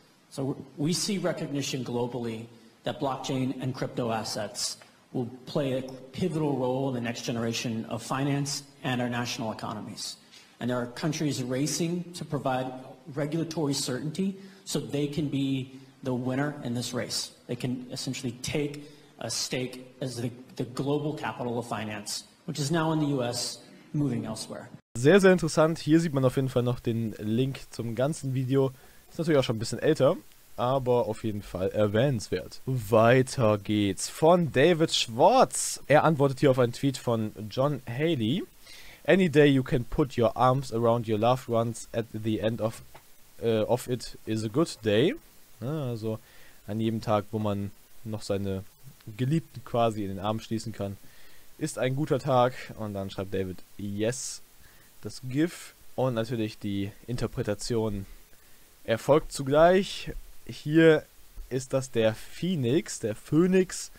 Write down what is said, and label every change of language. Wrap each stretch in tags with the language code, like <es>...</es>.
<en>So we see recognition globally that blockchain and crypto assets will play a pivotal role in the next generation of finance and our national economies. And there are countries racing to provide regulatory certainty so they can be the winner in this race. They can essentially take a stake as the global capital of finance, which is now in the US, moving elsewhere.</en> <de>Sehr, sehr interessant. Hier sieht man auf jeden Fall noch den Link zum ganzen Video. Ist natürlich auch schon ein bisschen älter, aber auf jeden Fall erwähnenswert. Weiter geht's von David Schwartz. Er antwortet hier auf einen Tweet von John Haley.</de> <en>Any day you can put your arms around your loved ones at the end of it is a good day.</en> <de>Also an jedem Tag, wo man noch seine Geliebten quasi in den Arm schließen kann, ist ein guter Tag. Und dann schreibt David, yes, das GIF. Und natürlich die Interpretation erfolgt zugleich. Hier ist das der Phönix.</de>